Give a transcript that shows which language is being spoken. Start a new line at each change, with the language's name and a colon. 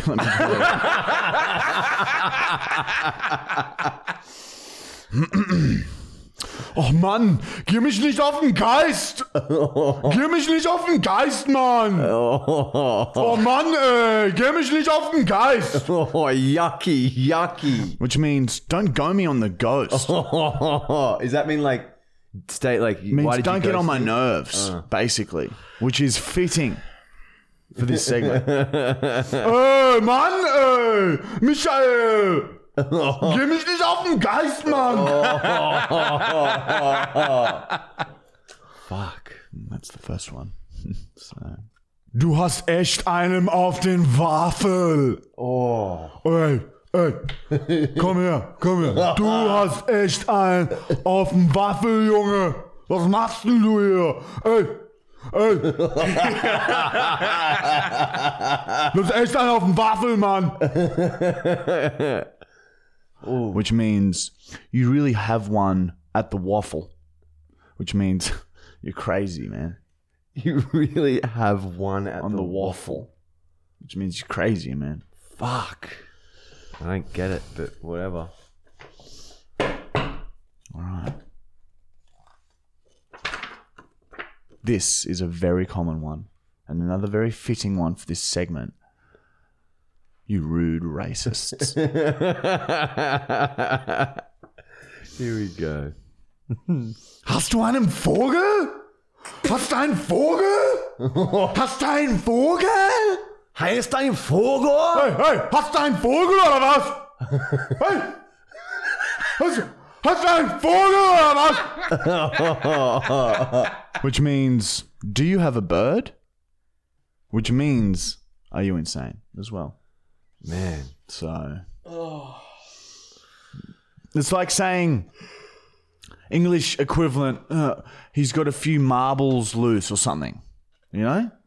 English: Let me
German: Oh, Mann, geh mich nicht auf den Geist. Geh mich nicht auf den Geist, Mann. Oh, Mann, geh mich nicht auf den Geist.
English: Oh, yucky, yucky. Which means, don't go me on the ghost. Does that mean, like, stay, like, means why did don't you get on my nerves, basically, which is fitting. For this segment.
German: Oh, Mann, Michael, geh mich nicht auf den Geist, Mann.
English: Fuck. That's the first one. So.
German: Du hast echt einen auf den Waffel. Oh. Hey, hey, komm her, komm her. Du hast echt einen auf den Waffel, Junge. Was machst denn du hier? Hey. Du hast echt einen auf dem Waffel, Mann.
English: Which means you really have one at the waffle. Which means you're crazy, man. You really have one at on the waffle. Which means you're crazy, man. Fuck. I don't get it, but whatever. All right. This is a very common one and another very fitting one for this segment. You rude racists. Here we go.
German: Hast du einen Vogel? Hast du einen Vogel? Hast du einen Vogel? Heißt dein Vogel? Hey, hey, hast du einen Vogel oder was? Hey! Hast du einen Vogel oder was?
English: Which means, do you have a bird? Which means, are you insane as well? Man. So. Oh. It's like saying, English equivalent, he's got a few marbles loose or something. You know?